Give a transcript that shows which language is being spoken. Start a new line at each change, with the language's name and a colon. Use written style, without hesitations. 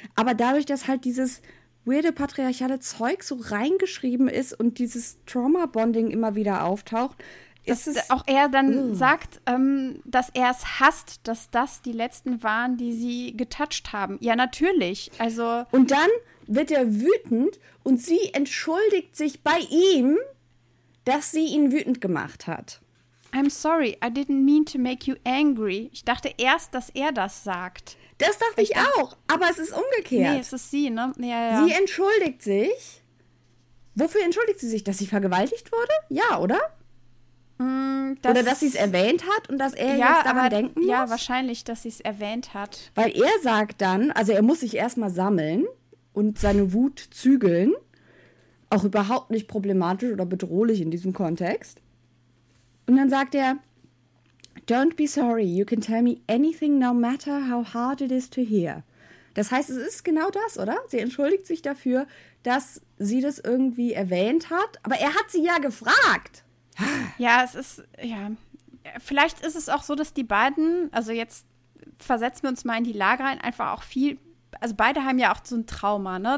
German: Aber dadurch, dass halt dieses weirde patriarchale Zeug so reingeschrieben ist und dieses Trauma-Bonding immer wieder auftaucht, ist es auch er dann sagt, dass er es hasst, dass das die letzten waren, die sie getoucht haben. Ja, natürlich. Also und dann wird er wütend und sie entschuldigt sich bei ihm, dass sie ihn wütend gemacht hat.
English: I'm sorry, I didn't mean to make you angry.
German: Ich dachte erst, dass er das sagt. Das dachte ich auch, aber es ist umgekehrt. Nee, es ist sie, ne? Ja, ja. Sie entschuldigt sich. Wofür entschuldigt sie sich? Dass sie vergewaltigt wurde? Ja, oder? Oder dass sie es erwähnt hat und dass er ja, jetzt daran denken muss? Ja, wahrscheinlich, dass sie es erwähnt hat. Weil er sagt dann, also er muss sich erstmal sammeln und seine Wut zügeln. Auch überhaupt nicht problematisch oder bedrohlich in diesem Kontext. Und dann sagt er,
English: don't be sorry, you can tell me anything no matter how hard it is to hear.
German: Das heißt, es ist genau das, oder? Sie entschuldigt sich dafür, dass sie das irgendwie erwähnt hat. Aber er hat sie ja gefragt. Ja, es ist, ja, vielleicht ist es auch so, dass die beiden, also jetzt versetzen wir uns mal in die Lage rein, einfach auch viel, also beide haben ja auch so ein Trauma, ne?